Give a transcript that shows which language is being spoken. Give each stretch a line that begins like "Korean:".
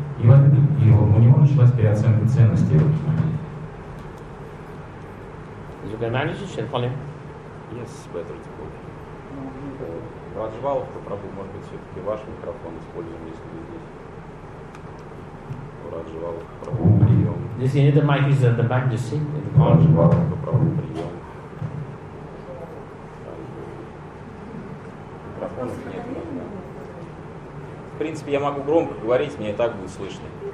Russian: И у него началась переоценка ценностей в этот момент.
English: You can manage it, shall call him? Yes, better to call him.
Russian: Раджвалов, попробуй, может быть, все-таки ваш микрофон используем, если вы здесь. Раджвалов, попробуй, прием. Здесь
English: you need the mic, is at the back, just sing in the corner.
Russian: Раджвалов, попробуй, прием. Микрофонов нет. В принципе, я могу громко говорить, мне и так будет слышно.